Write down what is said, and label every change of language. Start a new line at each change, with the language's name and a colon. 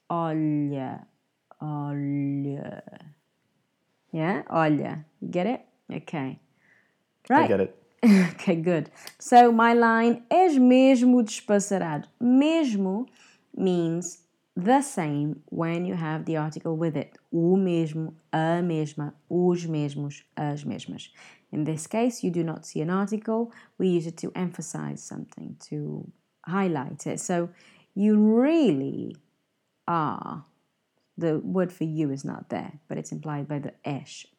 Portuguese: Olha, olha.
English: Yeah, olha. You get it? Okay. Right. I get it. Okay, good. So my line,
Portuguese: és mesmo despassarado.
English: Mesmo means the same when you have the article with it.
Portuguese: O mesmo, a mesma, os mesmos, as mesmas.
English: In this case, you do not see an article. We use it to emphasize something, to highlight it. So you really are. The word for you is not there, but it's implied by the és.